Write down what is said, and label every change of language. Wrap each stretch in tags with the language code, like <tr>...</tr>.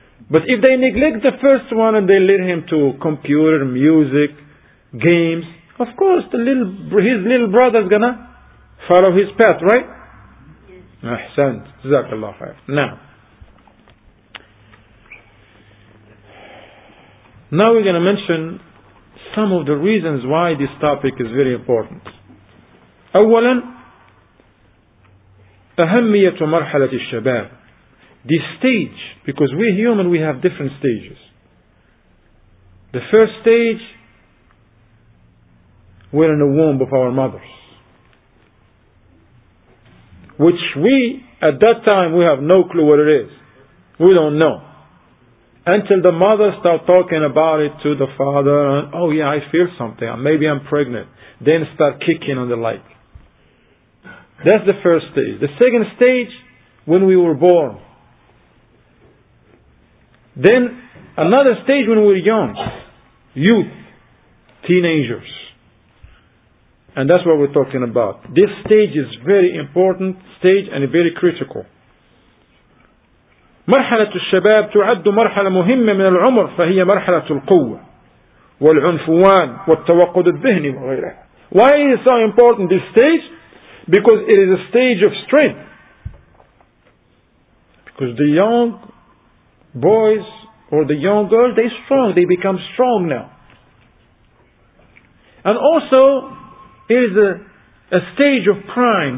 <en>But if they neglect the first one and they lead him to computer, music, games, of course, his little brother is going to follow his path, right? Yes.</en> <ar>Ahsan. Jazakallah khair.</ar> <en>Now we're going to mention some of the reasons why this topic is very important.</en> <ar>أولاً أهمية مرحلة الشباب.</ar> <en>This stage, because we human, we have different stages. The first stage, we're in the womb of our mothers, which we, at that time, we have no clue what it is. We don't know. Until the mother start talking about it to the father, and, oh yeah, I feel something, maybe I'm pregnant. Then start kicking on the light. That's the first stage. The second stage, when we were born. Then another stage when we were young, youth, teenagers. And that's what we're talking about. This stage is very important stage and very critical.</en> <ar>مرحلة الشباب تعد مرحلة مهمة من العمر فهي مرحلة القوة والعنفوان والتوقد الذهني وغيرها.</ar> <en>Why is it so important this stage? Because it is a stage of strength. Because the young boys or the young girls, they're strong, they become strong now. And also, it is a stage of prime.</en>